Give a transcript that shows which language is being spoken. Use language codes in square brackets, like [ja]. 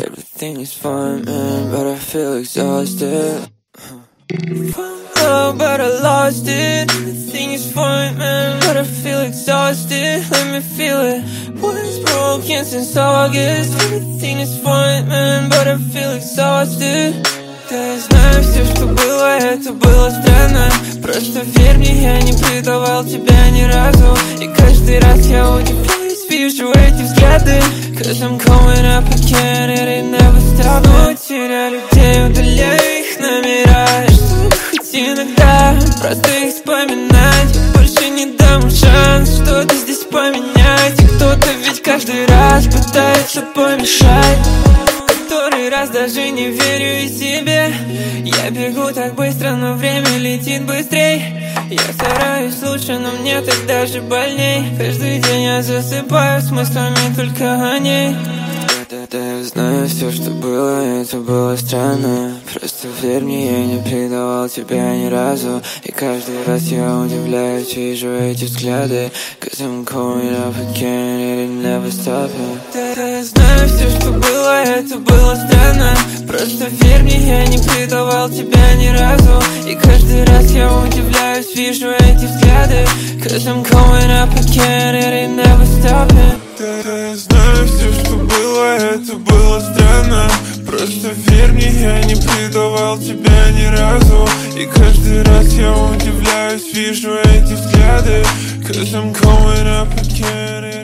[en] Everything is fine, man, but I feel exhausted. Found love, but I lost it. Everything is fine, man, but I feel exhausted. Let me feel it. Was broken since August. Everything is fine, man, but I feel exhausted. [ru] Знаю все, что было, это было странно. Просто верь мне, я не предавал тебя ни разу. И каждый раз я удивляюсь, вижу эти взгляды. [en] Cause I'm coming up again, it ain't never stopping. [ru] Теряю людей, удаляю их номера. И чтобы хоть иногда просто их вспоминать. Больше не дам шанс что-то здесь поменять. И кто-то ведь каждый раз пытается помешать. Раз даже не верю и себе. Я бегу так быстро, но время летит быстрей. Я стараюсь лучше, но мне так даже больней. Каждый день я засыпаю с мыслями только о ней. Да, я знаю все, что было, это было странно. Просто верь мне, я не предавал тебя ни разу. И каждый раз я удивляюсь, вижу эти взгляды. [en] Cause I'm coming up again, it ain't never stopping. [ru] Да, я знаю все, что было, это было странно. Просто верь мне, я не предавал тебя ни разу. И каждый раз я удивляюсь, вижу эти взгляды. [en] Cause I'm coming up again, it ain't never stopping. [ru] Да, я знаю все, что было, это было странно. Просто верь мне, я не предавал тебя ни разу. И каждый раз я удивляюсь, вижу эти взгляды. [en] Cause I'm coming up again.